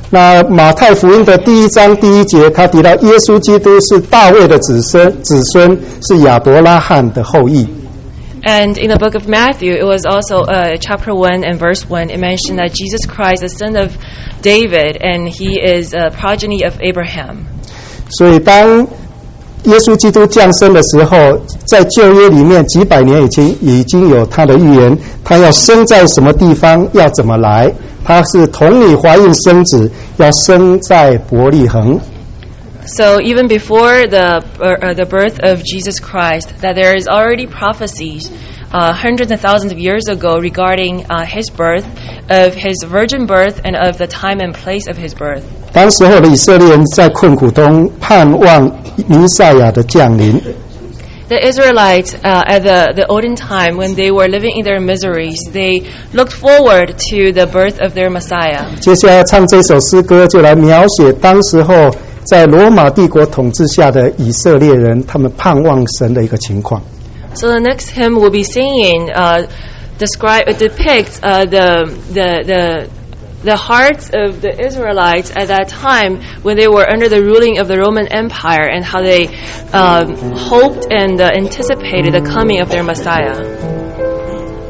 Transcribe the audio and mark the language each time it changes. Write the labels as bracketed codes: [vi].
[zh] 那马太福音的第一章第一节，他提到耶稣基督是大卫的子孙，是亚伯拉罕的后裔。 [en] And in the book of Matthew, it was also chapter 1 and verse 1. It mentioned that Jesus Christ is the son of David, and he is a progeny of Abraham. [zh] 所以当耶稣基督降生的时候，在旧约里面几百年已经有他的预言，他要生在什么地方，要怎么来，他是童女怀孕生子，要生在伯利恒。 [en] So even before the birth of Jesus Christ, that there is already prophecies hundreds and thousands of years ago regarding his birth, of his virgin birth, and of the time and place of his birth. [zh] 当时候的以色列人在困苦中盼望弥赛亚的降临。 [en] The Israelites at the olden time when they were living in their miseries, they looked forward to the birth of their Messiah. [zh] 接下来唱这首诗歌就来描写当时候在罗马帝国统治下的以色列人，他们盼望神的一个情况。 [en] So the next hymn we'll be singing depicts the hearts of the Israelites at that time when they were under the ruling of the Roman Empire and how they hoped and anticipated the coming of their Messiah.